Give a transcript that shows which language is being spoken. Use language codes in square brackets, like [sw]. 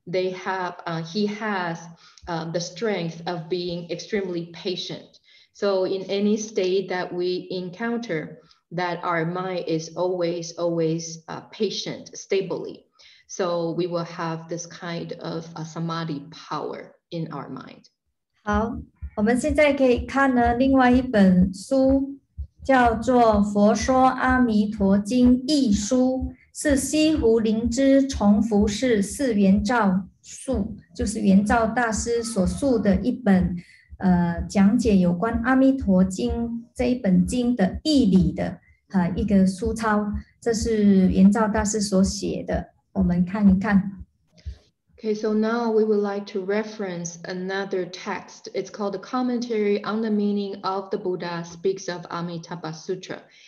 [en] They have, he has the strength of being extremely patient. So in any state that we encounter, that our mind is always patient, stably. So we will have this kind of samadhi power in our mind. [zh] 好，我们现在可以看呢，另外一本书叫做《佛说阿弥陀经》译书，是西湖灵芝崇福寺释圆照述，就是圆照大师所述的一本讲解有关阿弥陀经这一本经的义理的一个书抄，这是圆照大师所写的，我们看一看。 [en] Okay, so now we would like to reference another text. It's called the Commentary on the Meaning of the Buddha Speaks of Amitabha Sutra.